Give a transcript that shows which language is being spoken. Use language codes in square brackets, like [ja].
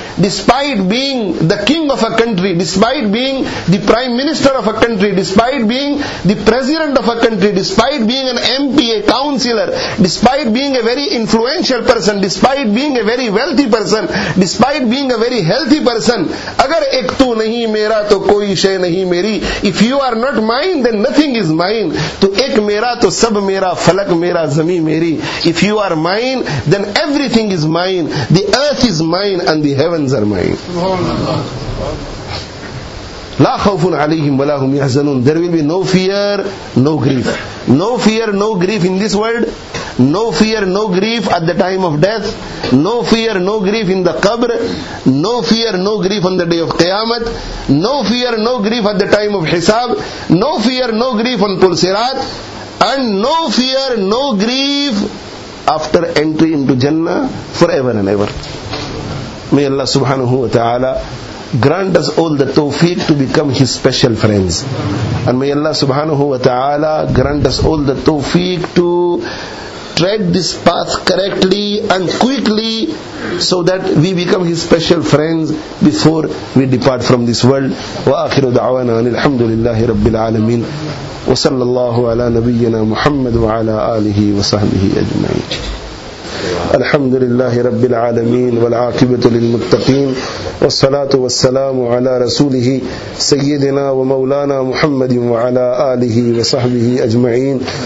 [en] Despite being the king of a country, despite being the prime minister of a country, despite being the president of a country, despite being an MP, a councillor, despite being a very influential person, despite being a very wealthy person, despite being a very healthy person, [ur] agar ek tu nahi mera, to koi shay nahi meri. [en] If you are not mine, then nothing is mine. [ur] To ek mera, to sab mera, falak mera, zameen meri. [en] If you are mine, then everything is mine. The earth is mine and the heavens are mine. [ar] لا خوف عليهم ولا هم يحزنون. [en] There will be no fear, no grief. No fear, no grief in this world. No fear, no grief at the time of death. No fear, no grief in the qabr. No fear, no grief on the day of qiyamah. No fear, no grief at the time of hisab. No fear, no grief on pul sirat. And no fear, no grief after entry into Jannah forever and ever. May Allah subhanahu wa ta'ala grant us all the tawfiq to become His special friends. And may Allah subhanahu wa ta'ala grant us all the tawfiq to tread this path correctly and quickly, so that we become His special friends before we depart from this world. [ar] Wa akhiru da'wana alhamdulillahi rabbil alameen. وصلى الله على نبينا محمد وعلى آله وصحبه أجمعين الحمد لله رب العالمين والعاقبة للمتقين والصلاة والسلام على رسوله سيدنا ومولانا محمد وعلى آله وصحبه أجمعين